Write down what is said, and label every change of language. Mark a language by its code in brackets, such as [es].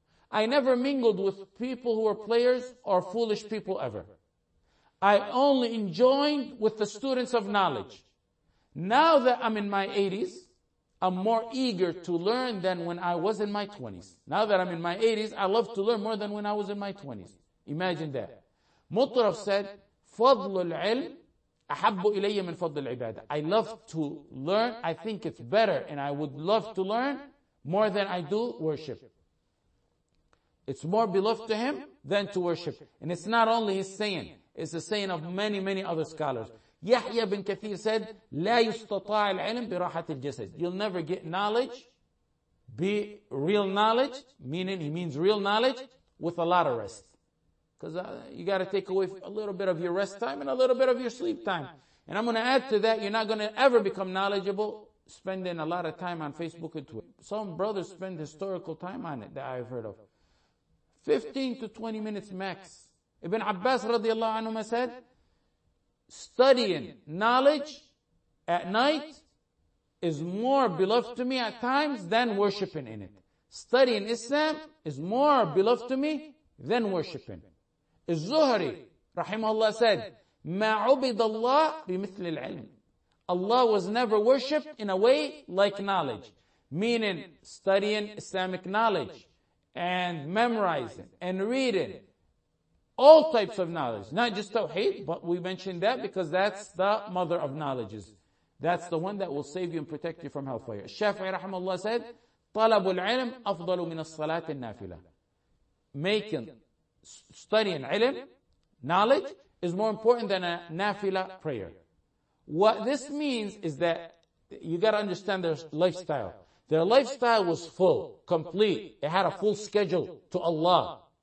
[en] I never mingled with people who were players or foolish people ever. I only enjoined with the students of knowledge. Now that I'm in my 80s, I'm more eager to learn than when I was in my 20s. Now that I'm in my 80s, I love to learn more than when I was in my 20s. Imagine that. Mutarraf said, [ar] فَضْلُ الْعِلْمِ أَحَبُّ إِلَيَّ مِنْ فَضْلِ الْعِبَادَةِ. [en] I love to learn. I think it's better and I would love to learn more than I do worship. It's more beloved to him than to worship. And it's not only his saying. It's the saying of many, many other scholars. Yahya bin Kathir said, [ar] لَا يُسْتَطَاعِ الْعِلْمِ بِرَاحَةِ الْجَسَدِ. [en] You'll never get knowledge, be real knowledge, meaning he means real knowledge, with a lot of rest. Because you got to take away a little bit of your rest time and a little bit of your sleep time. And I'm going to add to that, you're not going to ever become knowledgeable spending a lot of time on Facebook and Twitter. Some brothers spend historical time on it that I've heard of. 15 to 20 minutes max. Ibn Abbas radiallahu anhu said, studying knowledge at night is more beloved to me at times than worshipping in it. Studying Islam is more beloved to me than worshipping. Az-Zuhri rahimahullah said, [ar] مَا عُبِدَ اللَّهُ بِمِثْلِ الْعِلْمِ. [en] Allah was never worshipped in a way like knowledge. Meaning studying Islamic knowledge. And memorizing and reading all types of knowledge, not just tawheed, but we mentioned that because that's the mother of knowledges. That's the one that will save you and protect you from hellfire. Shafi'i rahimahullah said, [ar] طَلَبُ الْعِلْمِ أَفْضَلُ مِنَ الصَّلَاةِ النَّافِلَةِ. [en] Making, studying ilm, knowledge, is more important than a nafila prayer. What this means is that you gotta understand their lifestyle. Their lifestyle was full, complete. It had a full schedule to Allah.